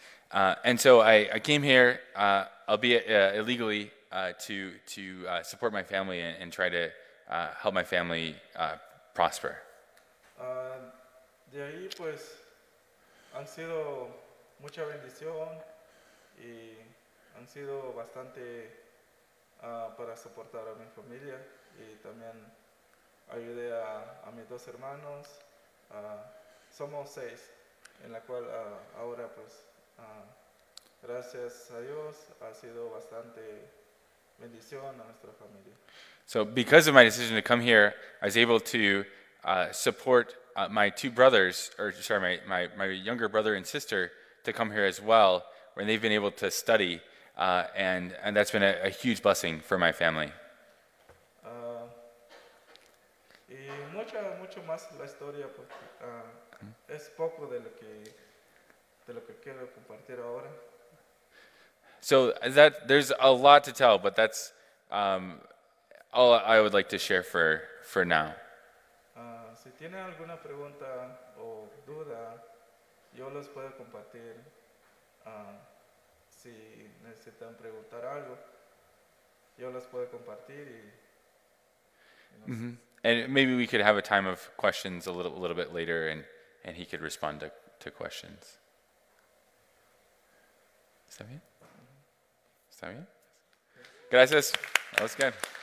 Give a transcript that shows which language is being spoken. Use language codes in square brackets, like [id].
[en] And so I came here, albeit illegally, to support my family and try to help my family prosper. [es] De ahí pues han sido mucha bendición y han sido bastante para soportar a mi familia y también ayudé a mis dos hermanos. Somos seis, en la cual ahora pues gracias a Dios ha sido bastante bendición a nuestra familia. [en] So because of my decision to come here, I was able to support my two brothers, or sorry, my younger brother and sister to come here as well, when they've been able to study, and that's been a huge blessing for my family. [es] Y mucho más la historia, porque es poco de lo que quiero compartir ahora. [en] So that there's a lot to tell, but that's all I would like to share for now. [es] Si tiene alguna pregunta o duda, yo les puedo compartir. Si necesitan preguntar algo, yo les puedo compartir. [en] And maybe we could have a time of questions a little bit later, and he could respond to questions. [es] ¿Está bien? ¿Está bien? Gracias. That was good.